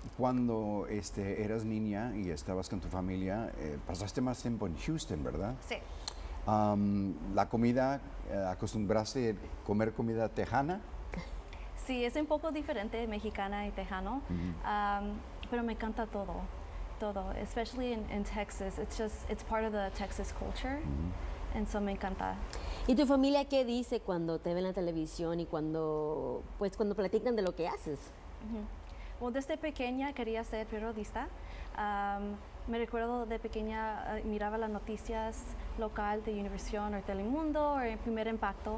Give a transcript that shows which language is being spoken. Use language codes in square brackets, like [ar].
[es] Cuando eras niña y estabas con tu familia, pasaste más tiempo en Houston, ¿verdad? Sí. La comida, ¿acostumbraste a comer comida tejana? Sí, es un poco diferente, mexicana y tejano, mm-hmm, pero me encanta todo, todo. [en] Especially in Texas, it's part of the Texas culture, mm-hmm, and so [es] me encanta. ¿Y tu familia qué dice cuando te ven en la televisión y cuando, pues, cuando platican de lo que haces? Mm-hmm. Well, desde pequeña quería ser periodista. Me recuerdo de pequeña, miraba las noticias local de Univision o Telemundo o el Primer Impacto.